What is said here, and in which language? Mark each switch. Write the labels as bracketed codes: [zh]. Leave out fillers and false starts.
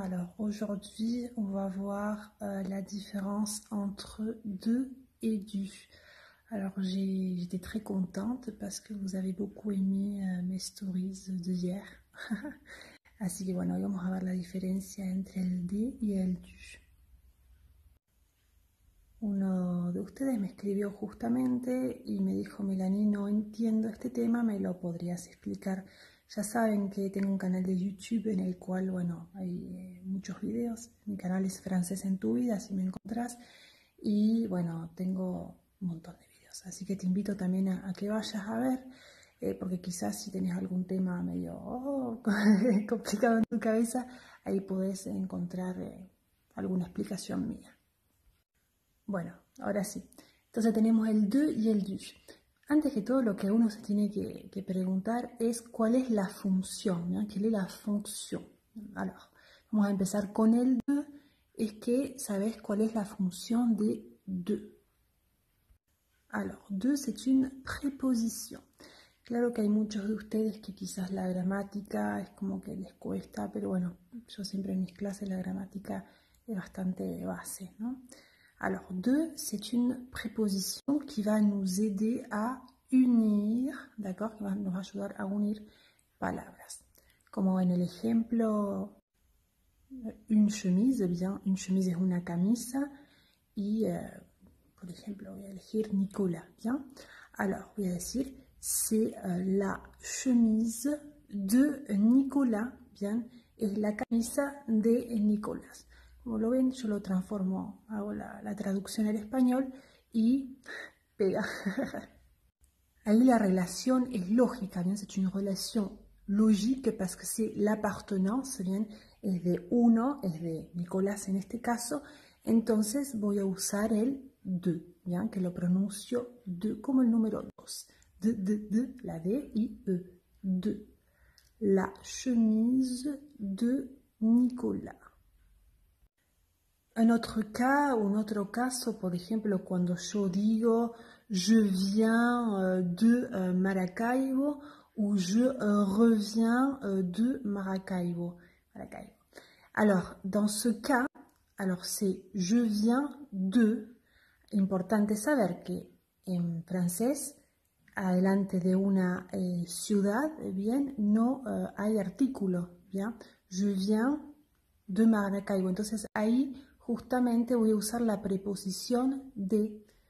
[fr] Alors aujourd'hui, on va voir la différence entre de et du. Alors j'étais très contente parce que vous avez beaucoup aimé mes stories d'hier. [es] Así que bueno, vamos a ver la diferencia entre el de y el du. Uno de ustedes me escribió justamente y me dijo: Melanie, no entiendo este tema, ¿me lo podrías explicar? Ya saben que tengo un canal de YouTube en el cual, bueno, hay muchos videos. Mi canal es Francés en tu vida, si me encontrás. Y bueno, tengo un montón de videos. Así que te invito también a que vayas a ver, porque quizás si tenés algún tema medio complicado en tu cabeza, ahí podés encontrar alguna explicación mía. Bueno, ahora sí. Entonces tenemos el de y el du. Antes que todo, lo que uno se tiene que preguntar es cuál es la función, ¿qué es la función? Alors, vamos a empezar con el de. Es que, ¿sabes cuál es la función de de? [fr] Alors, de, c'est une préposition. [es] Claro que hay muchos de ustedes que quizás la gramática es como que les cuesta, pero bueno, yo siempre en mis clases la gramática es bastante base, ¿no? [fr] Alors, de, c'est une préposition qui va nous aider à unir, d'accord? Qui va nous aider à unir palabras. Comme en l'exemple, une chemise, bien, une chemise est une camisa. Et, par exemple, je vais choisir Nicolas, bien. Alors, je vais dire, c'est la chemise de Nicolas, bien, et [es] la camisa de Nicolas. Como lo ven, yo lo transformo, hago la traducción al español y pega. Ahí la relación es lógica, bien, [fr] c'est une relation logique parce que c'est l'appartenance, [es] bien, es de uno, es de Nicolás en este caso, entonces voy a usar el de, bien, que lo pronuncio de como el número dos. De, la D y E, de, [fr] la chemise de Nicolás. Un autre cas, [es] un autre caso, por ejemplo, cuando yo digo [fr] je viens de Maracaibo [es] ou je reviens de Maracaibo. Maracaibo. [fr] Alors, dans ce cas, alors c'est je viens de. [es] Importante saber que en francés, adelante de una ciudad, bien, no hay artículo, bien. [fr] Je viens de Maracaibo. [es] Entonces, ahí justamente voy a usar la preposición de.